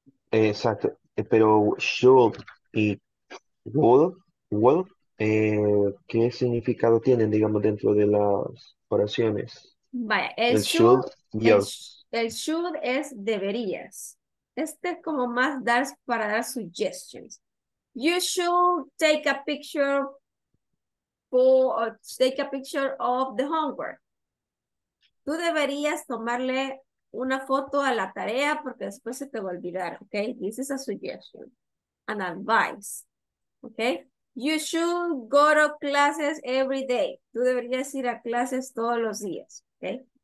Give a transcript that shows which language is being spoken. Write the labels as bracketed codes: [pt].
[es] Exacto. Pero should y would, would, ¿qué significado tienen, digamos, dentro de las oraciones? Vaya, el should, el should es deberías. Este es como más dar para dar suggestions. [en] You should take a picture for take a picture of the homework. [es] Tú deberías tomarle una foto a la tarea porque después se te va a olvidar, okay? [en] This is a suggestion, an advice, okay? You should go to classes every day. [es] Tú deberías ir a clases todos los días, okay?